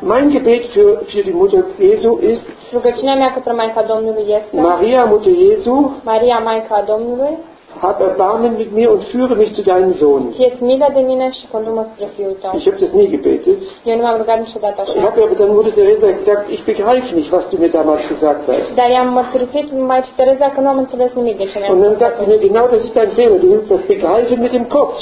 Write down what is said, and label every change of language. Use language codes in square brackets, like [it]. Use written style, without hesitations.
[de] Mein Gebet für die Mutter Jesu ist, [ro] rugăciunea mea către Maica Domnului este, [de] Maria, Mutter Jesu, [ro] Maria, Maica Domnului, [de] Hab Erbarmen mit mir und führe mich zu deinem Sohn. Ich habe das nie gebetet. Ich habe aber dann Mutter Teresa gesagt, ich begreife nicht, was du mir damals gesagt hast. Und dann sagte sie mir, genau das ist dein Fehler, du willst das begreifen mit dem Kopf.